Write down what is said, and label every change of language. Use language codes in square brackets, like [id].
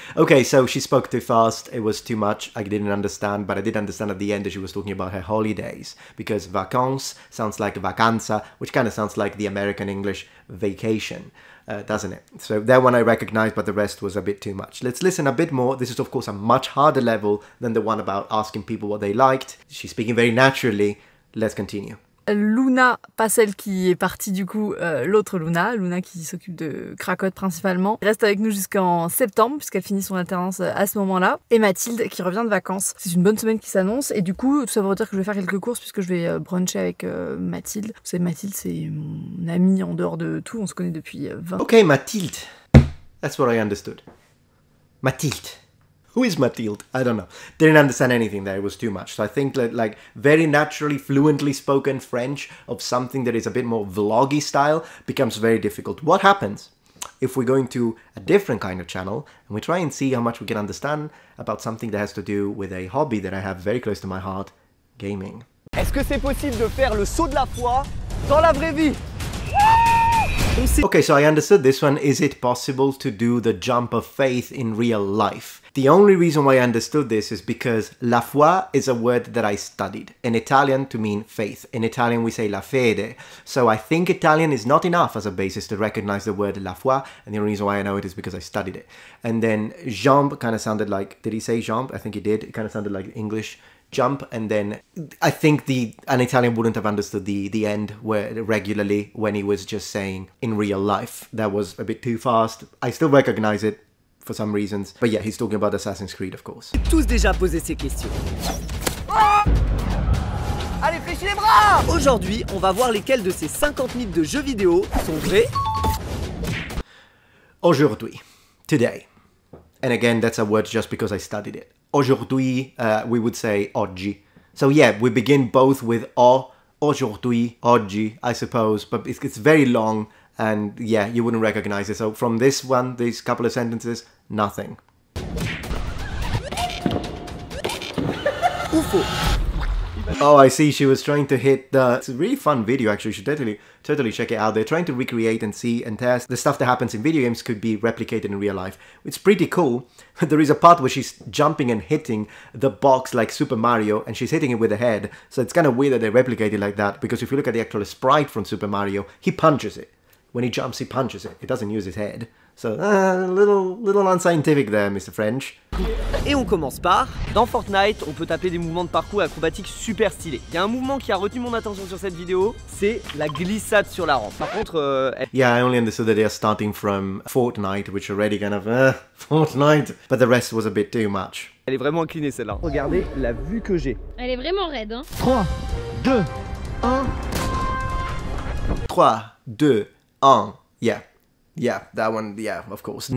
[en] Okay, so she spoke too fast, it was too much, I didn't understand, but I did understand at the end that she was talking about her holidays because vacances sounds like vacanza, which kind of sounds like the American English vacation. Doesn't it? So that one I recognized, but the rest was a bit too much. Let's listen a bit more. This is, of course, a much harder level than the one about asking people what they liked. She's speaking very naturally. Let's continue. [fr] Luna, pas celle qui est partie du coup, l'autre Luna. Luna qui s'occupe de Cracotte principalement. Reste avec nous jusqu'en septembre, puisqu'elle finit son alternance à ce moment-là. Et Mathilde qui revient de vacances. C'est une bonne semaine qui s'annonce. Et du coup, tout ça veut dire que je vais faire quelques courses, puisque je vais bruncher avec Mathilde. Vous savez, Mathilde, c'est mon amie en dehors de tout. On se connaît depuis 20 ans. [en] Ok, Mathilde. That's what I understood. Mathilde. Who is Mathilde? I don't know. Didn't understand anything there. It was too much. So I think that like very naturally, fluently spoken French of something that is a bit more vloggy style becomes very difficult. What happens if we're going to a different kind of channel and we try and see how much we can understand about something that has to do with a hobby that I have very close to my heart, gaming. [fr] Est-ce que c'est possible de faire le saut de la foi dans la vraie vie? [en] Okay, so I understood this one. Is it possible to do the jump of faith in real life? The only reason why I understood this is because la foi is a word that I studied in Italian to mean faith. In Italian, we say la fede. So I think Italian is not enough as a basis to recognize the word la foi. And the only reason why I know it is because I studied it. And then jump kind of sounded like, did he say jump? I think he did. It kind of sounded like English jump. And then I think an Italian wouldn't have understood the end word regularly when he was just saying in real life. That was a bit too fast. I still recognize it. For some reasons, but yeah, he's talking about Assassin's Creed, of course. [fr] J'ai tous déjà posé ces questions. Ah, allez, fléchis les bras! Aujourd'hui, on va voir lesquels de ces 50 mythes de jeux vidéo sont vrais. [en] Aujourd'hui, today, and again, that's a word just because I studied it. Aujourd'hui, we would say oggi. So yeah, we begin both with o, aujourd'hui, oggi, I suppose, but it's very long. And yeah, you wouldn't recognize it. So from this one, these couple of sentences, nothing. [fr] ou faux. [en] Oh, I see. She was trying to hit the... It's a really fun video, actually. You should totally check it out. They're trying to recreate and see and test. The stuff that happens in video games could be replicated in real life. It's pretty cool. There is a part where she's jumping and hitting the box like Super Mario, and she's hitting it with her head. So it's kind of weird that they replicate it like that, because if you look at the actual sprite from Super Mario, he punches it. When he jumps, he punches it. It doesn't use his head. So, a little unscientific there, Mr. French. [fr] Et on commence par... Dans Fortnite, on peut taper des mouvements de parcours acrobatiques super stylés. Il y a un mouvement qui a retenu mon attention sur cette vidéo, c'est la glissade sur la rampe. Par contre... [en] I only understood that they are starting from Fortnite, which already kind of... Fortnite. But the rest was a bit too much. [fr] Elle est vraiment inclinée, celle-là. Regardez la vue que j'ai. Elle est vraiment raide, hein. [en] 3, 2, 1... Yeah. Yeah, that one, yeah, of course.